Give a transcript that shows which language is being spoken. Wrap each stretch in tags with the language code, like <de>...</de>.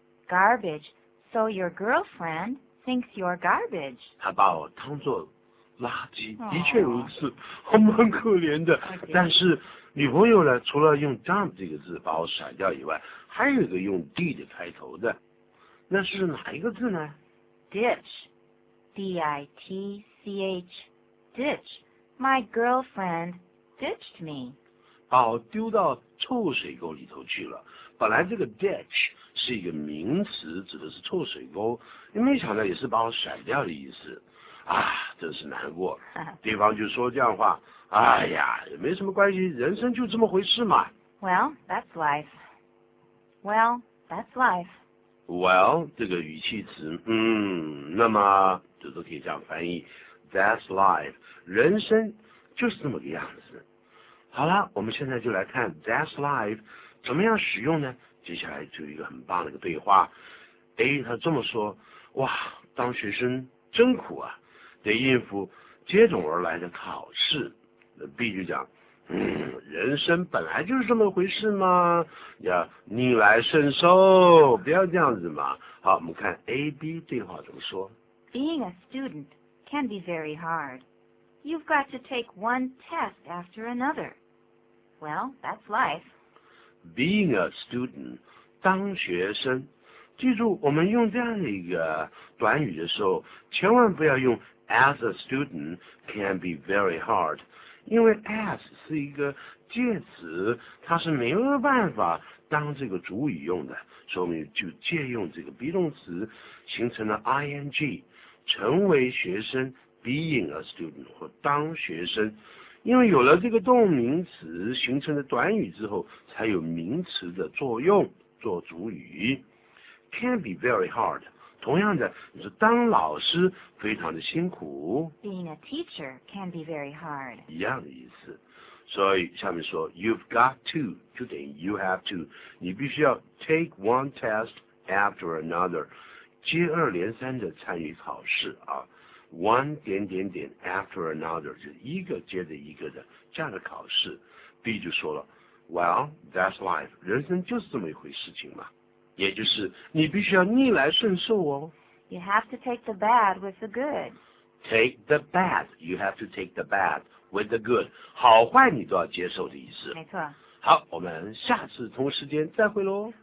<en>Garbage. So your girlfriend thinks you're garbage.</en> <zh>她把我当作垃圾，的确如此，还蛮可怜的。但是女朋友呢，除了用 dump 这个字把我甩掉以外，还有一个用 d 的开头的，那是哪一个字呢？</zh> <en>ditch, d-i-t-c-h, ditch. My girlfriend ditched me.</en> <zh>把我丢到臭水沟里头去了。本来这个 ditch 是一个名词，指的是臭水沟，没想到也是把我甩掉的意思。啊，真是难过。对方就说这样话，哎呀，也没什么关系，人生就这么回事嘛。</zh> <en>Well, that's life. Well, that's life.</en> <zh>Well, 这个语气词，那么就都可以这样翻译 ，</zh> <en>That's life.</en> <zh>人生就是这么个样子。好了，我们现在就来看 That's life 怎么样使用呢？接下来就有一个很棒的一个对话。A 他这么说，哇，当学生真苦啊。得应付接踵而来的考试。那 B 就讲，人生本来就是这么回事嘛，要逆来顺受，不要这样子嘛。好，我们看 AB 对话怎么说。</zh> <en>Being a student can be very hard. You've got to take one test after another. Well, that's life. Being a student,</en> <zh>当学生，记住我们用这样的一个短语的时候，千万不要用</zh> <en>As a student can be very hard,</en> <zh>因为 as 是一个介词，它是没有办法当这个主语用的，所以我们就借用这个 be 动词形成了 ing, 成为学生 being a student 或当学生，因为有了这个动名词形成的短语之后，才有名词的作用做主语。</zh> <en>can be very hard,</en> <zh>同样的，你说当老师非常的辛苦。</zh> <en>Being a teacher can be very hard.</en> <zh>一样的意思。</zh> <en>所以下面说 ，you've got to 就等于 you have to，</en> <zh>你必须要</zh> <en>take one test after another，</en> <zh>接二连三的参与考试啊。 One 点点点 after another 就是一个接着一个的这样的考试。 B 就说了 ，</zh> <en>Well, that's life，</en> <zh>人生就是这么一回事情嘛。也就是你必须要逆来顺受哦。</zh> <en>You have to take the bad with the good. Take the bad. You have to take the bad with the good.</en> <zh>好坏你都要接受的意思。没错。好，我们下次同时间再会咯。</zh>